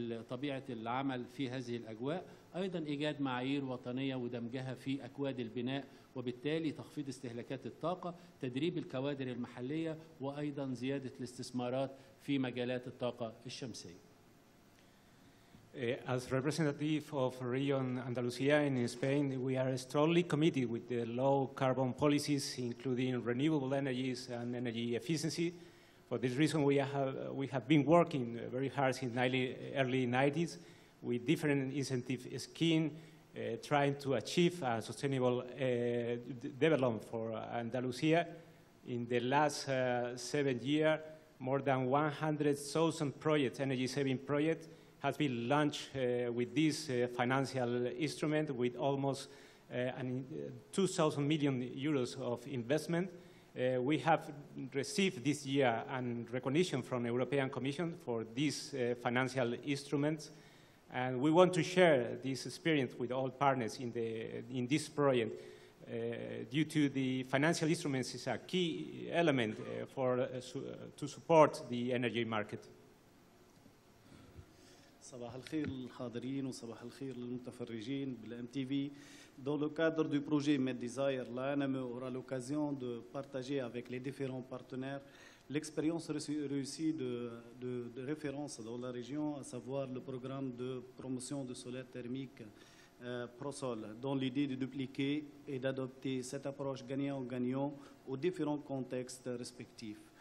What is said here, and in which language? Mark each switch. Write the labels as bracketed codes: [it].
[ar] طبيعة العمل في هذه الأجواء، أيضا إيجاد معايير وطنية ودمجها في أكواد البناء وبالتالي تخفيض استهلاكات الطاقة، تدريب الكوادر المحلية وأيضا زيادة الاستثمارات في مجالات الطاقة الشمسية. [en] As representative of Region Andalusia in Spain, we are strongly committed with the low carbon policies, including renewable energies and energy efficiency. For this reason, we have been working very hard since the early 90s with different incentive schemes, trying to achieve a sustainable development for Andalusia. In the last 7 years, more than 100,000 projects, energy saving projects, has been launched with this financial instrument with almost 2,000 million euros of investment. We have received this year a recognition from the European Commission for these financial instruments. And we want to share this experience with all partners in this project due to the financial instruments is a key element to support the energy market. [ar] صباح الخير للحاضرين وصباح الخير للمتفرجين بالام تي في. [fr] Dans le cadre du projet Med Desire, l'ANME aura l'occasion de partager avec les différents partenaires l'expérience réussie de référence dans la région, à savoir le programme de promotion de solaire thermique ProSol, dans l'idée de dupliquer et d'adopter cette approche gagnant-gagnant aux différents contextes respectifs.